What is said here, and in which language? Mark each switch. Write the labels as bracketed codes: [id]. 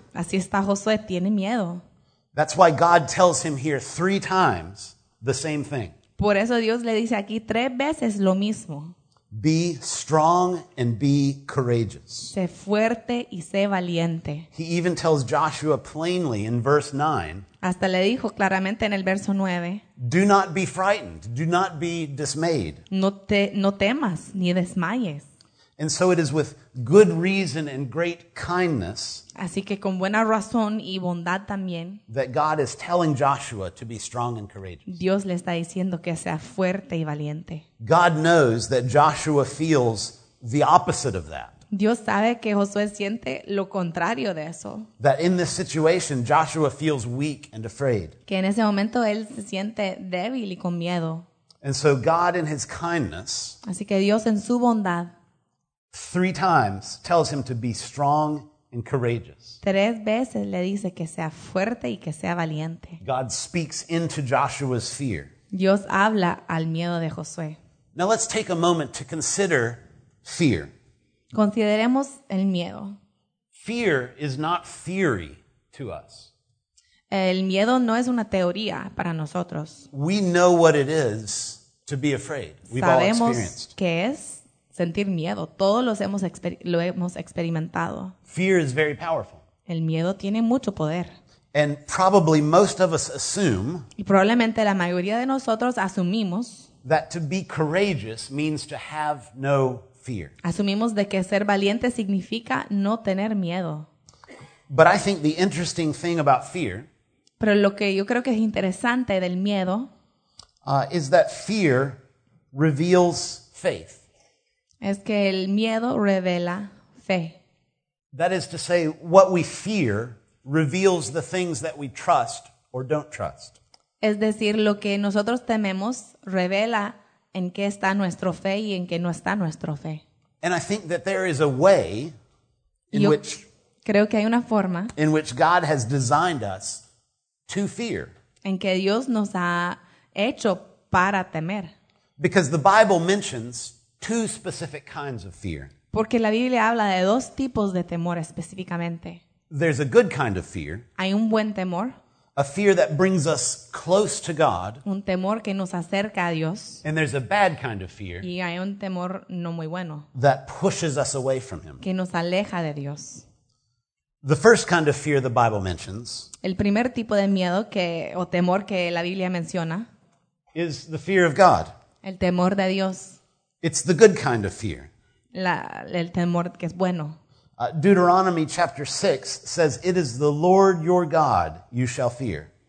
[es] Así está Josué, tiene miedo. [en] That's why God tells him here three times the same thing. [es] Por eso Dios le dice aquí tres veces lo mismo. [en] Be strong and be courageous. [es] Sé fuerte y sé valiente. [en] He even tells Joshua plainly in verse 9. [es] Hasta le dijo claramente en el verso 9. [en] Do not be frightened. Do not be dismayed. [es] No temas ni desmayes. [en] And so it is with good reason and great kindness. [es] Así que con buena razón y bondad también. [en] That God is telling Joshua to be strong and courageous. [es] Dios le está diciendo que sea fuerte y valiente. [en] God knows that Joshua feels the opposite of that. [es] Dios sabe que Josué siente lo contrario de eso. [en] That in this situation Joshua feels weak and afraid. [es] Que en ese momento él se siente débil y con miedo. [en] And so God in his kindness. [es] Así que Dios en su bondad. [en] Three times tells him to be strong and courageous. [es] Tres veces le dice que sea fuerte y que sea valiente. [en] God speaks into Joshua's fear. [es] Dios habla al miedo de Josué. [en] Now let's take a moment to consider fear. [es] Consideremos el miedo. [en] Fear is not theory to us. [es] El miedo no es una teoría para nosotros. [en] We know what it is to be afraid. We've [es] sabemos [en] all experienced. [es] Qué es sentir miedo. Todos lo hemos experimentado. [en] Fear is very powerful. [es] El miedo tiene mucho poder. [en] And probably most of us assume. [es] Y probablemente la mayoría de nosotros asumimos. [en] That to be courageous means to have no fear. [es] Asumimos de que ser valiente significa no tener miedo. [en] But I think the interesting thing about fear. [es] Pero lo que yo creo que es interesante del miedo. [en] Is that fear reveals faith. [es] Es que el miedo revela fe. [en] That is to say, what we fear reveals the things that we trust or don't trust. [es] Es decir, lo que nosotros tememos revela en qué está nuestra fe y en qué no está nuestra fe. [en] And I think that there is a way in [es] Yo [en] which [es] creo que hay una forma [en] in which God has designed us to fear. [es] En que Dios nos ha hecho para temer. [en] Because the Bible mentions two specific kinds of fear. [es] Porque la Biblia habla de dos tipos de temor específicamente. [en] There's a good kind of fear. [es] Hay un buen temor. [en] A fear that brings us close to God. [es] Un temor que nos acerca a Dios. [en] And there's a bad kind of fear. [es] Y hay un temor no muy bueno. [en] That pushes us away from Him. [es] Que nos aleja de Dios. [en] The first kind of fear the Bible mentions. [es] El primer tipo de miedo que o temor que la Biblia menciona [en] is the fear of God. [es] El temor de Dios. [en] It's the good kind of fear. [es] El temor que es bueno. [en] Deuteronomy chapter 6 says, "It is the Lord your God you shall fear."